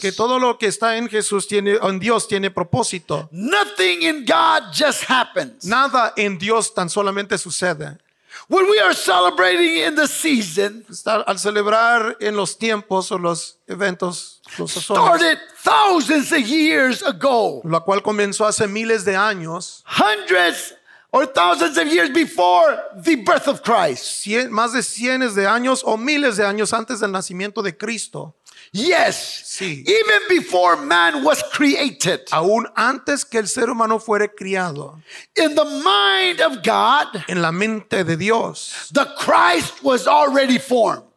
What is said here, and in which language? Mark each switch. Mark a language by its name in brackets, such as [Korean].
[Spanish] Que todo lo que está en Jesús tiene, en Dios tiene propósito. [English] Nothing in God just happens. [Spanish] Nada en Dios tan solamente sucede. [English] When we are celebrating in the season, [Spanish] al celebrar en los tiempos o los eventos, los sazones, [English] started thousands of years ago, [Spanish] la cual comenzó hace miles de años, [English] hundreds or thousands of years before the birth of Christ, [Spanish] más de cientos de años o miles de años antes del nacimiento de Cristo. [English] Yes, [Spanish] sí. [English] Even before man was created, [Spanish] aún antes que el ser humano fuere criado, [English] in the mind of God, [Spanish] en la mente de Dios, [English] the Christ was already formed.